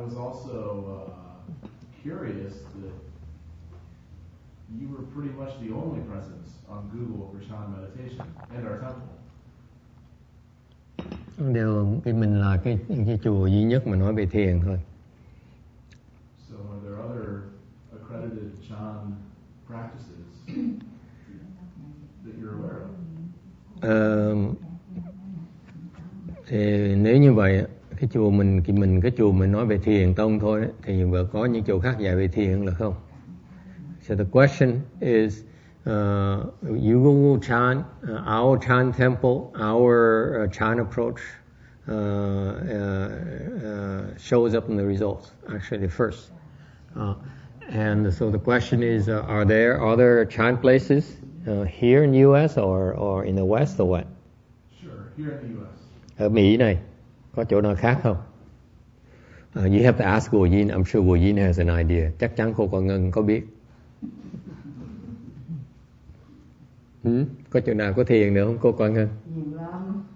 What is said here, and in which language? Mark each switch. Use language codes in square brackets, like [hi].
[en] I was also curious that you were pretty much the only presence on Google for Chan meditation and our temple. [vi] Điều thì mình là cái chùa duy nhất mà nói về thiền thôi. [en] So are there other accredited Chan practices that you're aware of? [vi] Thì nếu như vậy, cái chùa mình, cái chùa mình nói về thiền tông thôi, thì có những chùa khác dạy về thiền là không? [en] So the question is, Yugongu Chan, our Chan temple, our Chan approach, shows up in the results, actually first. And so the question is, are there other Chan places here in the U.S. or in the West or what? Sure, here in the U.S. [vi] Ở Mỹ này, có chỗ nào khác không? [en] You have to ask Guo Yin. I'm sure Guo Yin has an idea. [vi] Chắc chắn cô còn ngân có biết. Hmm? Có chỗ nào có thiền nữa không cô Quang Ngân? Nhiều lắm.